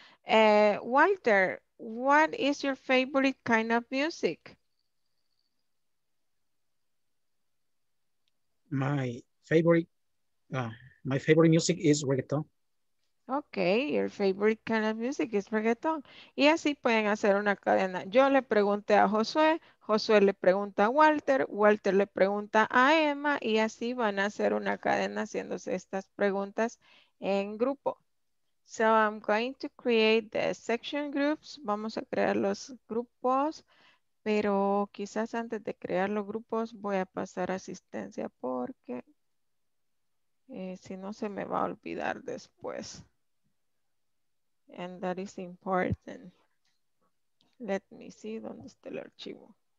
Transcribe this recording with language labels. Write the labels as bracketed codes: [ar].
[en] Walter, what is your favorite kind of music? My favorite music is reggaeton. Okay, your favorite kind of music is reggaeton. [es] Y así pueden hacer una cadena. Yo le pregunté a Josué, Josué le pregunta a Walter, Walter le pregunta a Emma, y así van a hacer una cadena haciéndose estas preguntas en grupo. [en] So I'm going to create the section groups. [es] Vamos a crear los grupos. Pero quizás antes de crear los grupos voy a pasar asistencia porque si no se me va a olvidar después. [en] and that is important. Let me see, [es] ¿dónde está el archivo?